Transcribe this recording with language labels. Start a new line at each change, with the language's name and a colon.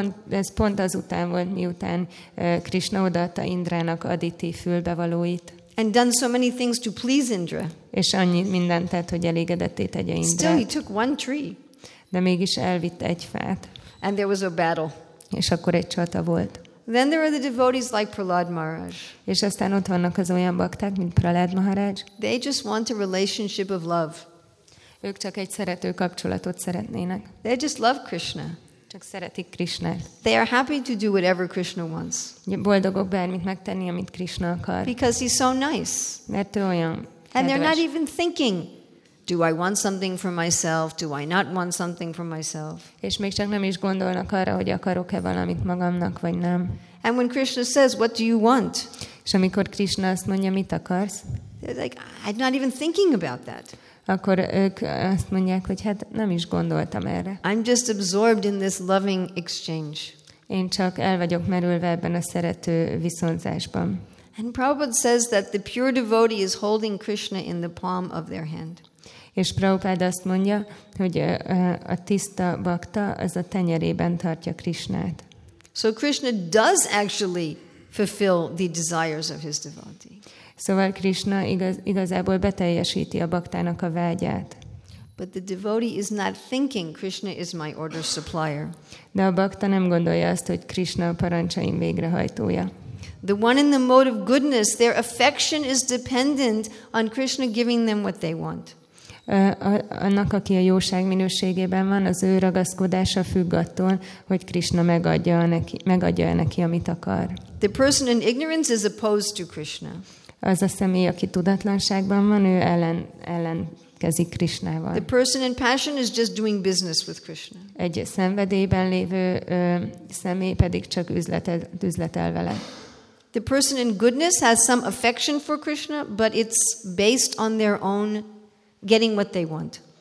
Hungarian: Ez pont azután volt, miután Krishna odaadta Indrának Aditi fülbevalóit.
English: And done so many things to please Indra.
Hungarian: És annyi mindent tett, hogy elégedetté tegye Indrát.
English: Still he took one tree.
Hungarian: De mégis elvitte egy fát.
English: And there was a battle.
Hungarian: És akkor egy csata volt.
English: Then there are the devotees like Prahlad Maharaj.
Hungarian: És aztán ott vannak az olyan bakták, mint Prahlad Maharaj.
English: They just want a relationship of love.
Hungarian: Ők csak egy szerető kapcsolatot szeretnének.
English: They just love Krishna.
Hungarian: Csak szeretik Krishnát.
English: They are happy to do whatever Krishna wants.
Hungarian: Boldogok bármit megtenni, amit Krishna akar.
English: Because he's so nice.
Hungarian: Mert ő olyan kedves.
English: And they're not even thinking, do I want something for myself? Do I not want something for myself?
Hungarian: És még csak nem is gondolnak arra, hogy akarok-e valamit magamnak, vagy nem.
English: And when Krishna says, what do you want?
Hungarian: És amikor Krishna azt mondja, mit akarsz?
English: They're like, I'm not even thinking about that.
Hungarian: Akkor ők azt mondják, hogy hát nem is gondoltam erre.
English: I'm just absorbed in this loving exchange.
Hungarian: Én csak el vagyok merülve ebben a szerető viszonzásban.
English: And Prabhupada says that the pure devotee is holding Krishna in the palm of their hand.
Hungarian: És Prabhupada azt mondja, hogy a tiszta bhakta az a tenyerében tartja Krishnát.
English: So Krishna does actually fulfill the desires of his devotee.
Hungarian: Szóval Krishna igazából beteljesíti a baktának a vágyát.
English: But the devotee is not thinking Krishna is my order supplier.
Hungarian: De a bakta nem gondolja azt, hogy Krishna a parancsaim végrehajtója.
English: The one in the mode of goodness, their affection is dependent on Krishna giving them what they want.
Hungarian: Annak, aki a jóság minőségében van, az ő ragaszkodása függ attól, hogy Krishna megadja neki, amit akar.
English: The person in ignorance is opposed to Krishna.
Hungarian: Az a személy, aki tudatlanságban van, ő ellenkezik Krishnával.
English: The person in passion is just doing business with Krishna.
Hungarian: Egy szenvedélyben lévő személy pedig csak üzletel vele.
English: The person in goodness has some affection for Krishna, but it's based on their own getting what they want.